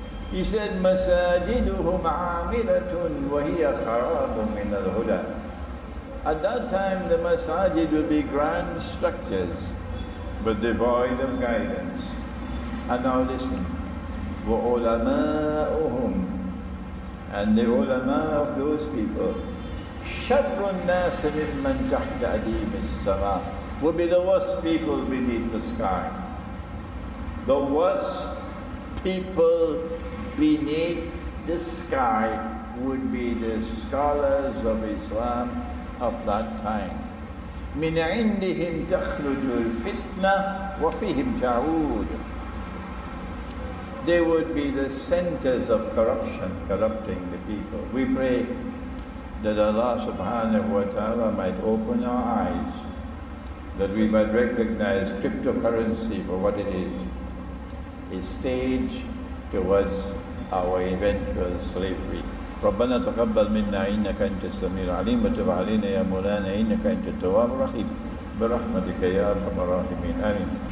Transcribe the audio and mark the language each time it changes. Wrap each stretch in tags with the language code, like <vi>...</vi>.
<en>He said,</en> <ar>مَسَاجِدُهُمْ عَامِرَةٌ وَهِيَ خَرَابٌ مِنَ الْهُدَى.</ar> <en>At that time the masajid will be grand structures, but devoid of guidance. And now listen.</en> <ar>وَعُلَمَاءُهُمْ.</ar> <en>And the ulama of those people,</en> <ar>شَرُّ النَّاسِ مِمَّنْ تَحْتَ أَدِيمِ السَّمَاءِ,</ar> <en>will be the worst people beneath the sky. The worst people beneath the sky would be the scholars of Islam of that time.</en> <ar>مِنْ عِنْدِهِمْ تَخْلُجُ الْفِتْنَةِ وَفِيهِمْ تَعُودُ.</ar> <en>they would be the centers of corruption, corrupting the people. We pray that Allah subhanahu wa ta'ala might open our eyes, that we might recognize cryptocurrency for what it is, a stage towards our eventual slavery.</en> <ar>ربنا تقبل منا إنك أنت السميع العليم وتب علينا يا مولانا إنك أنت التواب الرحيم برحمتك يا أرحم الراحمين آمين.</ar>